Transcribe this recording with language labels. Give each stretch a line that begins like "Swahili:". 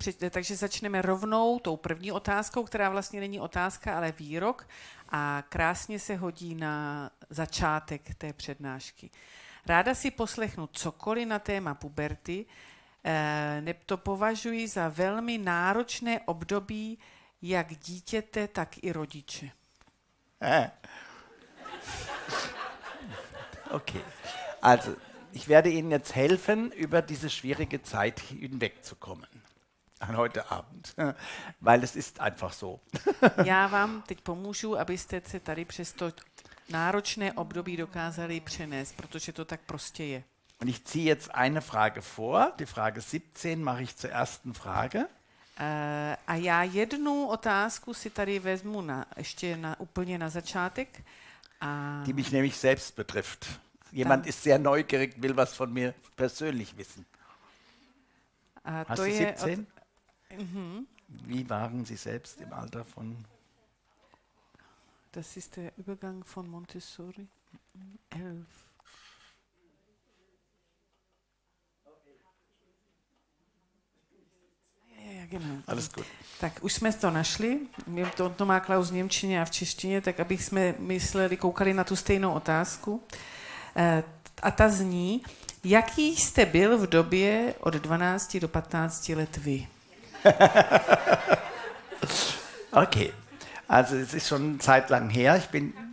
Czech: Takže začneme rovnou tou první otázkou, která vlastně není otázka, ale výrok a krásně se hodí na začátek té přednášky. Ráda si poslechnu cokoliv na téma puberty, neb to považuji za velmi náročné období jak dítěte, tak i rodiče. Okay.
German: Also, ich werde Ihnen jetzt helfen, über diese schwierige Zeit hinwegzukommen. An heute Abend. Weil es ist einfach so.
Czech: Já vám teď pomůžu, abyste se tady přes to náročné období dokázali přenést, protože to tak prostě je.
German: Und ich ziehe jetzt eine Frage vor. Die Frage 17 mache ich zur ersten Frage.
Czech: A já jednu otázku si tady vezmu úplně na začátek.
German: A die mich nämlich selbst betrifft. Jemand ist sehr neugierig, will was von mir persönlich wissen. Hast du 17? Wie waren Sie selbst im Alter von Das ist der Übergang von Montessori 11. Genau. Alles gut.
Czech: Tak už jsme to našli, to má Klaus v němčině a v češtině, tak aby jsme mysleli, koukali na tu stejnou otázku. A ta zní, jaký jste byl v době od 12 do 15 let vy?
German: Okay, also es ist schon eine Zeit lang her, ich bin...